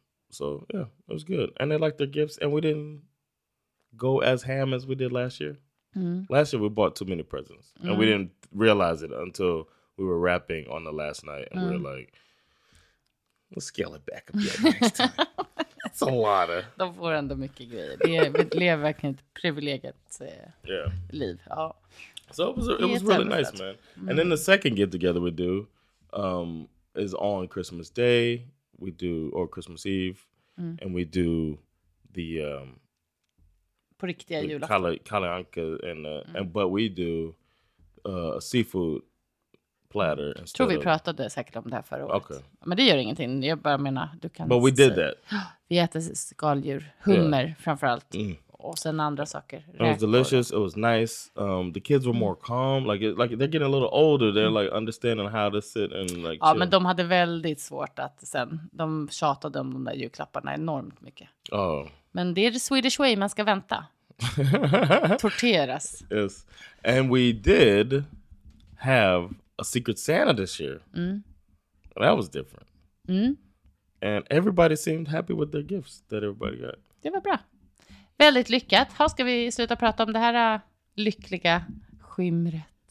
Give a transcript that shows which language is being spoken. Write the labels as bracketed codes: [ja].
[en] So it was good. And they liked their gifts. And we didn't go as ham as we did last year. Last year we bought too many presents. And we didn't realize it until we were wrapping on the last night. And we were like, we'll scale it back a bit next time. [sv] De får ändå mycket grejer. Vi lever verkligen ett privilegierat liv. Ja. [en] So it was really nice, man. And then the second get together we do is on Christmas Day. We do or Christmas Eve, and we do the [sv] på riktiga julafton. [en] Kalle Anka but we do a seafood platter. [sv] Tror vi pratade säkert om det här förra året. [en] Okay. [sv] Men det gör ingenting. Jag bara menar, du kan. [en] But we did that. [sv] Vi äter skaldjur, hummer framförallt. och sen andra saker. [en] It was delicious. It was nice. The kids were more calm. Like they're getting a little older. They're like understanding how to sit and like. [sv] Ja, men de hade väldigt svårt att sen. De tjatade om de där julklapparna enormt mycket. Oh. Men det är [en] the Swedish way, [sv] man ska vänta. Torteras. [en] Yes. And we did have a Secret Santa this year. Mm. That was different. Mm. And everybody seemed happy with their gifts that everybody got. [sv] Det var bra. Väldigt lyckat. Här ska vi sluta prata om det här lyckliga skimret.